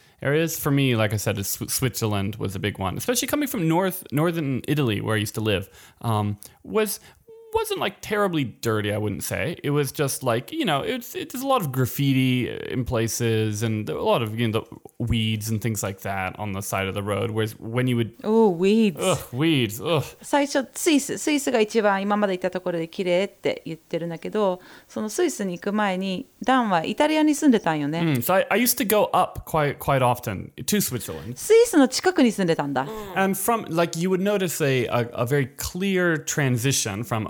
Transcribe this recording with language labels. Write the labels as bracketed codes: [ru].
[en] Areas for me, like I said, Switzerland was a big one, especially coming from northern Italy, where I used to live, wasn't like terribly dirty, I wouldn't say. It was just like, you know, there's a lot of graffiti in places and a lot of, you know, the weeds and things like that on the side of the road. Whereas when you would... Oh, weeds. Ugh, weeds. Ugh. [ja] 最初、スイスが一番今まで行ったところで綺麗って言ってるんだけど、そのスイスに行く前にダンはイタリアに住んでたんよね。 [en] So I used to go up quite often to Switzerland. [ja] スイスの近くに住んでたんだ。 [en] And from, like, you would notice a very clear transition from...